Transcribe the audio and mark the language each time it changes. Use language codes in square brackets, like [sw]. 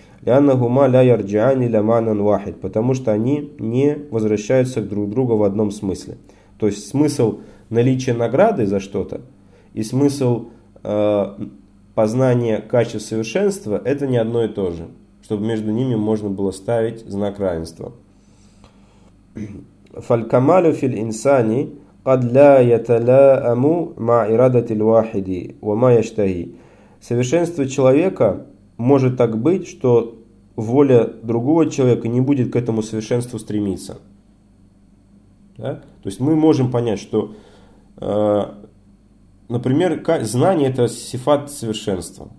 [ar] Анна гума ля ярджиани ля манан вахид, [ru] потому что они не возвращаются друг к другу в одном смысле. То есть смысл наличия награды за что-то и смысл познания качества совершенства – это не одно и то же, чтобы между ними можно было ставить знак равенства. [ar] فالكمال في الإنسان قد لا يتلائم مع إرادة الواحد وما يشتهي. [ru] Совершенство человека может так быть, что воля другого человека не будет к этому совершенству стремиться. Да? То есть мы можем понять, что, например, знание – это сифат совершенства.